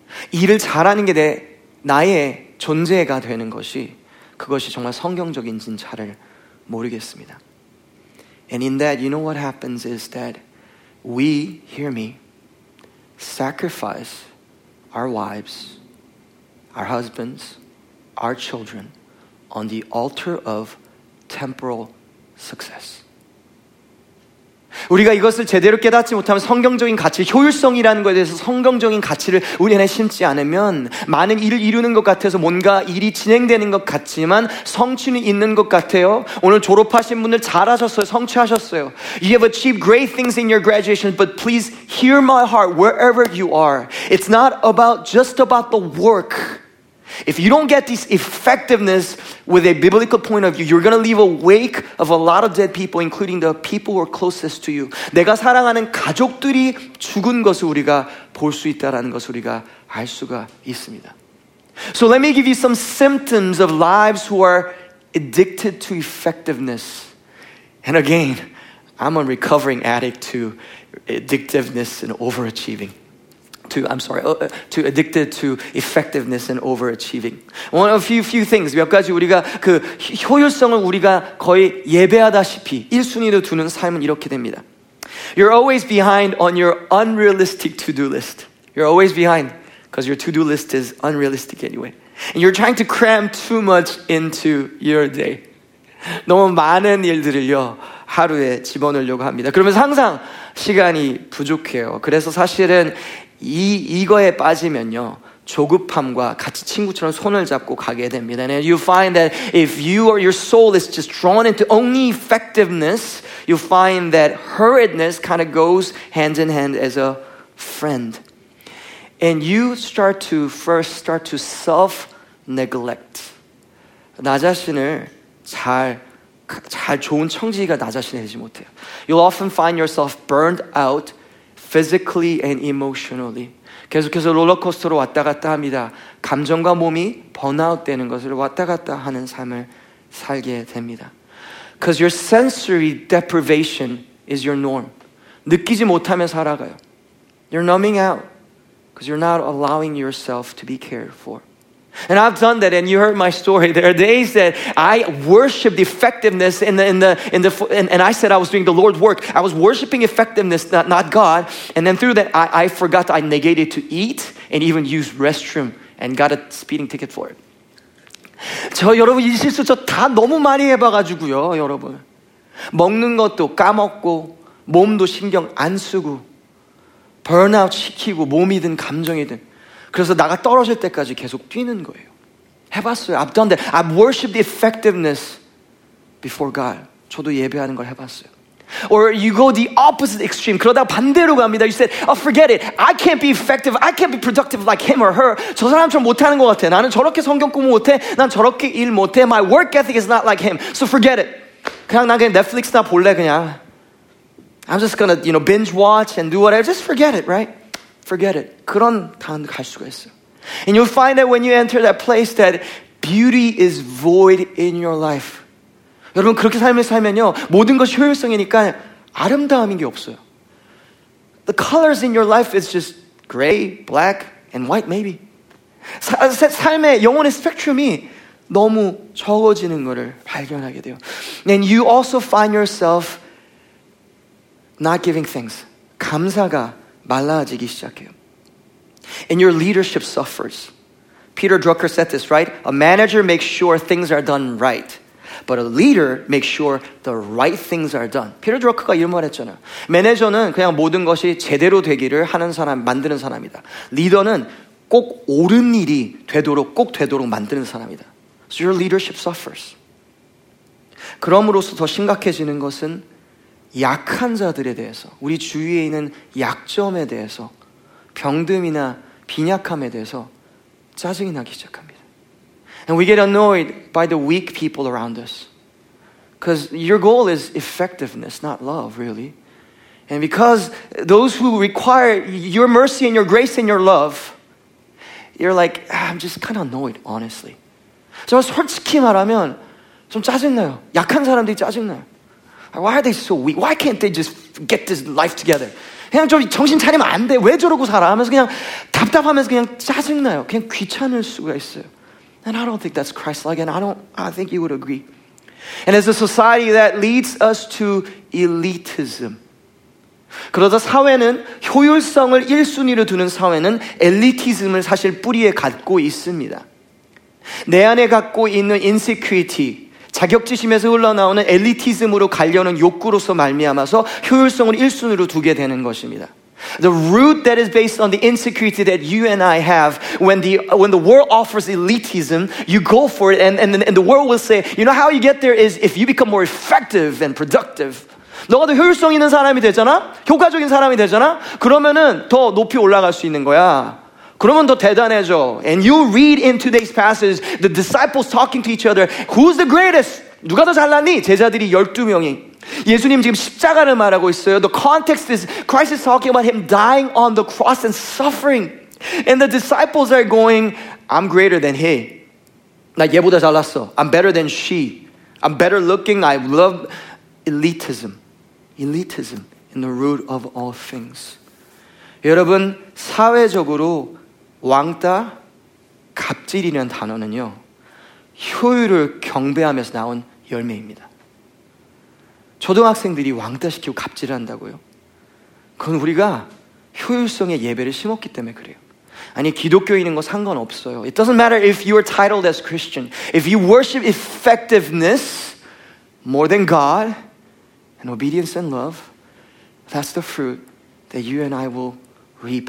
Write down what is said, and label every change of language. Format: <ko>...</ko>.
<ko>일을 잘하는 게 내 나의 존재가 되는 것이 그것이 정말 성경적인지는 잘을 모르겠습니다.</ko> <en>And in that, you know what happens is that we, hear me, sacrifice our wives, our husbands, our children on the altar of temporal success.</en> <ko>우리가 이것을 제대로 깨닫지 못하면 성경적인 가치, 효율성이라는 것에 대해서 성경적인 가치를 우리 안에 심지 않으면 많은 일을 이루는 것 같아서 뭔가 일이 진행되는 것 같지만 성취는 있는 것 같아요. 오늘 졸업하신 분들 잘하셨어요. 성취하셨어요.</ko> <en>You have achieved great things in your graduation, but please hear my heart wherever you are. It's not about just about the work. If you don't get this effectiveness with a biblical point of view, you're going to leave a wake of a lot of dead people, including the people who are closest to you.</en> <ko>내가 사랑하는 가족들이 죽은 것을 우리가 볼 수 있다라는 것을 우리가 알 수가 있습니다.</ko> <en>So let me give you some symptoms of lives who are addicted to effectiveness. And again, I'm a recovering addict to addictiveness and overachieving. To addicted to effectiveness and overachieving. One of few things.</en> <ko>몇 가지 우리가 그 효율성을 우리가 거의 예배하다시피 1순위로 두는 삶은 이렇게 됩니다.</ko> <en>You're always behind on your unrealistic to-do list. You're always behind because your to-do list is unrealistic anyway. And you're trying to cram too much into your day.</en> <ko>너무 많은 일들을요. 하루에 집어넣으려고 합니다. 그러면서 항상 시간이 부족해요. 그래서 사실은 이거에 빠지면요 조급함과 같이 친구처럼 손을 잡고 가게 됩니다.</ko> <en>And you find that if you or your soul is just drawn into only effectiveness, you find that hurriedness kind of goes hand in hand as a friend. And you start to self-neglect.</en> <ko>나 자신을 잘 좋은 청지기가 나 자신을 되지 못해요.</ko> <en>You'll often find yourself burned out physically and emotionally.</en> <ko>계속해서 롤러코스터로 왔다 갔다 합니다. 감정과 몸이 번아웃 되는 것을 왔다 갔다 하는 삶을 살게 됩니다.</ko> <en>Because your sensory deprivation is your norm.</en> <ko>느끼지 못하며 살아가요.</ko> <en>You're numbing out because you're not allowing yourself to be cared for. And I've done that, and you heard my story. There are days that I worshiped effectiveness and I said I was doing the Lord's work. I was worshiping effectiveness, not God. And then through that, I forgot that I negated to eat and even use restroom and got a speeding ticket for it.</en> <ko>저 여러분 이 실수 저 다 너무 많이 해봐가지고요, 여러분. 먹는 것도 까먹고 몸도 신경 안 쓰고 burnout 시키고 몸이든 감정이든 그래서 나가 떨어질 때까지 계속 뛰는 거예요. 해봤어요.</ko> <en>I've done that. I've worshipped the effectiveness before God.</en> <ko>저도 예배하는 걸 해봤어요.</ko> <en>Or you go the opposite extreme.</en> <ko>그러다 반대로 갑니다.</ko> <en>You said, oh, forget it. I can't be effective. I can't be productive like him or her.</en> <ko>저 사람처럼 못하는 것 같아. 나는 저렇게 성경 공부 못해. 난 저렇게 일 못해.</ko> <en>My work ethic is not like him. So forget it.</en> <ko>그냥 난 그냥 넷플릭스나 볼래 그냥.</ko> <en>I'm just gonna, you know, binge watch and do whatever. Just forget it, right? Forget it.</en> <ko>그런 단 갈 수가 있어.</ko> <en>And you'll find that when you enter that place that beauty is void in your life.</en> <ko>여러분 그렇게 삶을 살면요 모든 것이 효율성이니까 아름다움인 게 없어요.</ko> <en>The colors in your life is just gray, black, and white maybe.</en> <ko>삶의 영혼의 스펙트럼이 너무 적어지는 것을 발견하게 돼요.</ko> <en>And you also find yourself not giving thanks.</en> <ko>감사가 말라지기 시작해요.</ko> <en>And your leadership suffers. Peter Drucker said this, right? A manager makes sure things are done right. But a leader makes sure the right things are done.</en> <ko>Peter Drucker가 이런 말 했잖아요. 매니저는 그냥 모든 것이 제대로 되기를 하는 사람, 만드는 사람이다. 리더는 꼭 옳은 일이 되도록, 꼭 되도록 만드는 사람이다.</ko> <en>So your leadership suffers.</en> <ko>그럼으로써 더 심각해지는 것은 약한 자들에 대해서, 우리 주위에 있는 약점에 대해서, 병듦이나 빈약함에 대해서 짜증이 나기 시작합니다.</ko> <en>And we get annoyed by the weak people around us. Because your goal is effectiveness, not love, really. And because those who require your mercy and your grace and your love, you're like, I'm just kind of annoyed, honestly.</en> <ko>정말 솔직히 말하면 좀 짜증나요. 약한 사람들이 짜증나요.</ko> <en>Why are they so weak? Why can't they just get this life together?</en> <ko>그냥 좀 정신 차리면 안 돼. 왜 저러고 살아? 하면서 그냥 답답하면서 그냥 짜증나요. 그냥 귀찮을 수가 있어요.</ko> <en>And I don't think that's Christ-like, and I think you would agree. And as a society, that leads us to elitism.</en> <ko>그러다 사회는 효율성을 1순위로 두는 사회는 엘리티즘을 사실 뿌리에 갖고 있습니다. 내 안에 갖고 있는 insecurity, 자격지심에서 흘러나오는 엘리티즘으로 가려는 욕구로서 말미암아서 효율성을 1순위로 두게 되는 것입니다.</ko> <en>The root that is based on the insecurity that you and I have when the world offers elitism, you go for it and the world will say, you know how you get there is if you become more effective and productive.</en> <ko>너가 더 효율성 있는 사람이 되잖아? 효과적인 사람이 되잖아? 그러면은 더 높이 올라갈 수 있는 거야. 그러면 더 대단해져.</ko> <en>And you read in today's passage, the disciples talking to each other, who's the greatest?</en> <ko>누가 더 잘났니? 제자들이 12명이. 예수님 지금 십자가를 말하고 있어요.</ko> <en>The context is Christ is talking about him dying on the cross and suffering. And the disciples are going, I'm greater than he.</en> <ko>나 얘보다 잘났어.</ko> <en>I'm better than she. I'm better looking. I love elitism. Elitism in the root of all things.</en> <ko>여러분, 사회적으로 왕따, 갑질이라는 단어는요. 효율을 경배하면서 나온 열매입니다. 초등학생들이 왕따시키고 갑질을 한다고요? 그건 우리가 효율성의 예배를 심었기 때문에 그래요. 아니, 기독교인인 거 상관없어요.</ko> <en>It doesn't matter if you are titled as Christian. If you worship effectiveness more than God and obedience and love, that's the fruit that you and I will reap.</en>